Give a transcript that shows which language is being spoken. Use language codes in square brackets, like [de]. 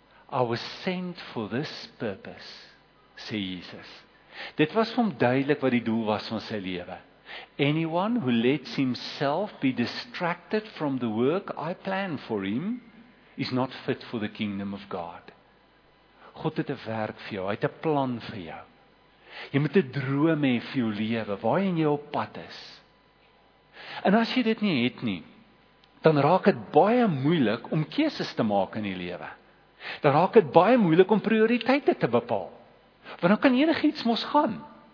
[en] I was sent for this purpose, [af] sê Jesus. Dit was vir hom duidelik wat die doel was van sy lewe. [en] Anyone who lets himself be distracted from the work I plan for him, is not fit for the kingdom of God. [af] God het 'n werk vir jou, hy het 'n plan vir jou. Jy moet 'n droom hê vir jou lewe, waar jy op pad is. En as jy dit nie het nie, dan raak dit baie moeilik om keuses te maak in die lewe. Dan raak dit baie moeilik om prioriteite te bepaal. Want dan kan enigiets mos gaan.